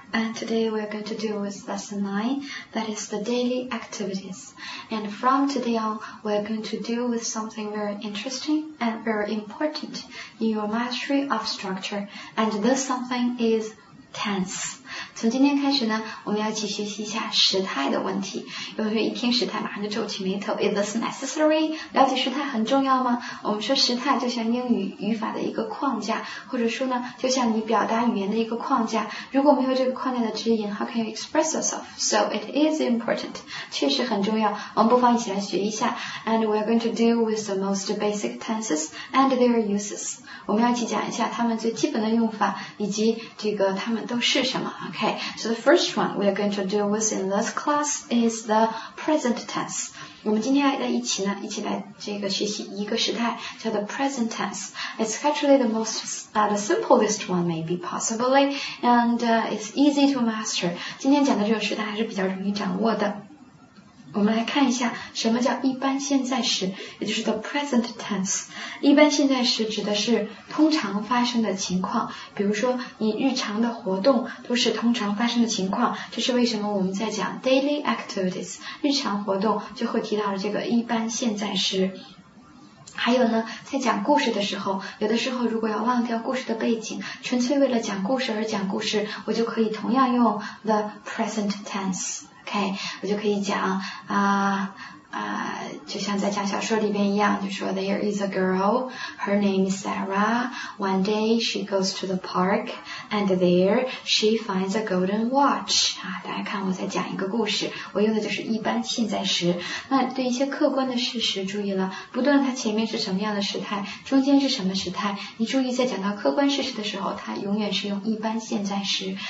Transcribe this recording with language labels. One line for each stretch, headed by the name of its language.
English: And today we're going to deal with lesson 9, that is the daily activities. And from today on, we're going to deal with something very interesting and very important in your mastery of structure. And this something is tense.
Chinese: 从今天开始呢，我们要一起学习一下时态的问题。有同学一听时态，马上就皱起眉头。
English: Is this necessary?
Chinese: 了解时态很重要吗？我们说时态就像英语语法的一个框架，或者说呢，就像你表达语言的一个框架。如果没有这个框架的指引 ，
English: How can you express yourself? So it is important.
Chinese: 确实很重要。我们不妨一起来学一下。
English: And we are going to deal with the most basic tenses and their uses.
Chinese: 我们要一起讲一下它们最基本的用法，以及这个它们都是什么。
English: Okay, so the first one we are going to deal with in this class is the present tense.
Chinese: 我们今天在一起呢，一起来这个学习一个时态，叫做 present tense.
English: It's actually the most, the simplest one maybe possibly, and it's easy to master.
Chinese: 今天讲的这个时态还是比较容易掌握的。我们来看一下什么叫一般现在时，也就是 the present tense。一般现在时指的是通常发生的情况，比如说你日常的活动都是通常发生的情况，这是为什么我们在讲 daily activities 日常活动就会提到了这个一般现在时。还有呢，在讲故事的时候，有的时候如果要忘掉故事的背景，纯粹为了讲故事而讲故事，我就可以同样用 the present tenseOK, 我就可以讲啊啊，就像在讲小说里边一样，就说
English: There is a girl, her name is Sarah. One day she goes to the park, and there she finds a golden watch.
Chinese: 啊，大家看我在讲一个故事，我用的就是一般现在时。那对一些客观的事实，注意了，不论它前面是什么样的时态，中间是什么时态，你注意在讲到客观事实的时候，它永远是用一般现在时。